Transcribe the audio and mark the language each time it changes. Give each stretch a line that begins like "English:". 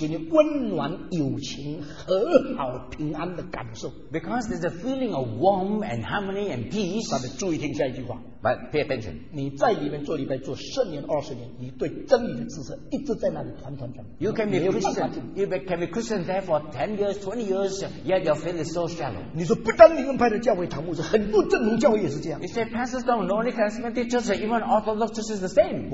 Chinese: 给你温暖、友情、和好、平安的感受。Because
English: there's a feeling of warmth and harmony and peace.
Chinese: 但是注意听下一句话。But
English: pay attention.
Chinese: 你在里面做礼拜做十年、二十年，你对真理的知识一直在那里团团转。You
English: can be Christian. You can be Christian there for 10 years, 20 years, yet your faith is so shallow.
Chinese: 你说不单灵恩派的教会堂牧师，很多正统教会也是这样。You
English: say pastors don't know any charismatic churches, even Orthodox churches the same.